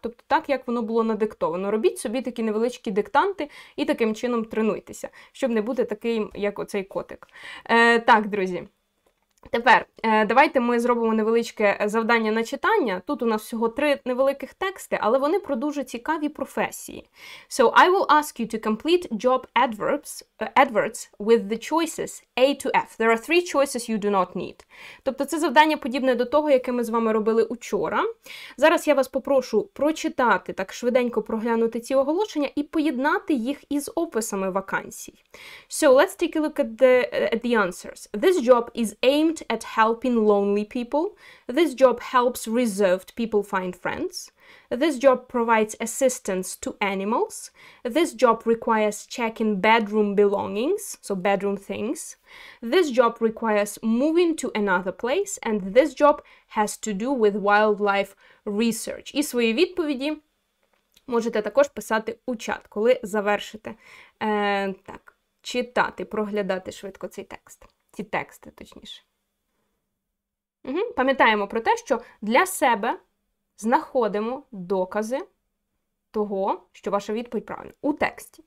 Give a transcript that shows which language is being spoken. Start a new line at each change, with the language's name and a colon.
Ukrainian: Тобто так, як воно було надиктовано. Робіть собі такі невеличкі диктанти і таким чином тренуйтеся, щоб не бути таким, як оцей котик. Так, друзі. Тепер, давайте ми зробимо невеличке завдання на читання. Тут у нас всього три невеликих тексти, але вони про дуже цікаві професії.
English: So, I will ask you to complete job adverts with the choices A to F. There are three choices you do not need.
Ukrainian: Тобто, це завдання подібне до того, яке ми з вами робили учора. Зараз я вас попрошу прочитати, так швиденько проглянути ці оголошення і поєднати їх із описами вакансій.
English: So, let's take a look at the answers. This job is aimed aimed at helping lonely people. This job helps reserved people find friends. This job provides assistance to animals. This job requires checking bedroom belongings, so bedroom things. This job requires moving to another place. And this job has to do with wildlife research.
Ukrainian: І свої відповіді можете також писати у чат, коли завершите. Так, читати, проглядати швидко цей текст. Ці тексти, точніше. Угу. Пам'ятаємо про те, що для себе знаходимо докази того, що ваша відповідь правильна. У тексті.